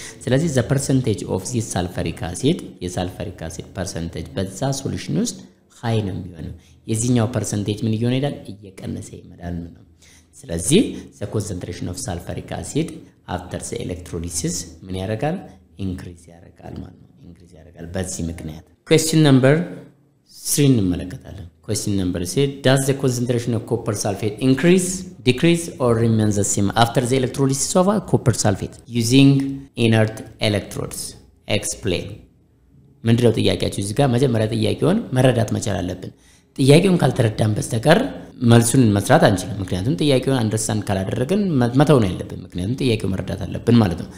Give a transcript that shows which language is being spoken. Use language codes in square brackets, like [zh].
[am] ስለዚህ [en] the percentage of this sulfuric acid [am] የsulfuric acid percentage በዛ solution ውስጥ high ነው የሚሆነው የዚህኛው percentage ምን ይሆን ይላል እየቀነሰ ይመጣል ማለት ነው ስለዚህ [en] the concentration of sulfuric acid after the electrolysis [am] ምን ያደርጋል increase ያደርጋል ማለት ነው በዚህ ምክንያት question number 3 እንመለከታለን. [en] Question number 6, does the concentration of copper sulfate increase, decrease or remains the same after the electrolysis of copper sulfate using inert electrodes? Explain. [am] ምንድነው ጥያቄያችሁ? እዚህ ጋር መጀመሪያ ጥያቄውን መረዳት መቻል አለብን. ጥያቄውን ካልተረዳን በስተቀር መልሱን መስራት አንችልም. ምክንያቱም ጥያቄውን አንደርስታንድ ካላደረግን መተው ነው ያለብን. ምክንያቱም ጥያቄው መረዳት አለብን ማለት ነው.